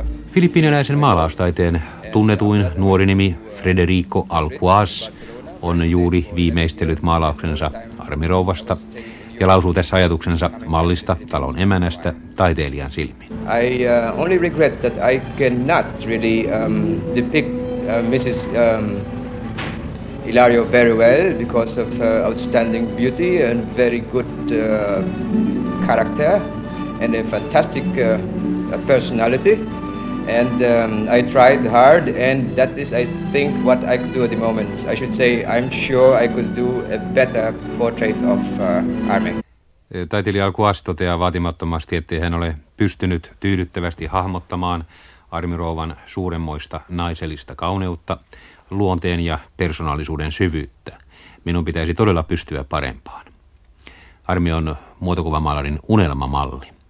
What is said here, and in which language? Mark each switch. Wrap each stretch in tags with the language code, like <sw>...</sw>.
<fi>Filippiiniläisen maalaustaiteen tunnetuin nuori nimi Federico Alcuaz on juuri viimeistellyt maalauksensa armirouvasta ja lausuu tässä ajatuksensa mallista, talon emänästä, taiteilijan silmin.</fi> <en>I only regret that I cannot really depict Mrs. Hilario very well because of her outstanding beauty and very good character and a fantastic personality. And I tried hard, and that is, I think, what I could do at the moment. I should say, I'm sure I could do a better portrait of Armin.</en> <fi>Taiteilija Alcuaz toteaa vaatimattomasti, ettei hän ole pystynyt tyydyttävästi hahmottamaan armirouvan suuremmoista naisellista kauneutta, luonteen ja persoonallisuuden syvyyttä. Minun pitäisi todella pystyä parempaan. Armi on muotokuvamaalarin unelmamalli.</fi>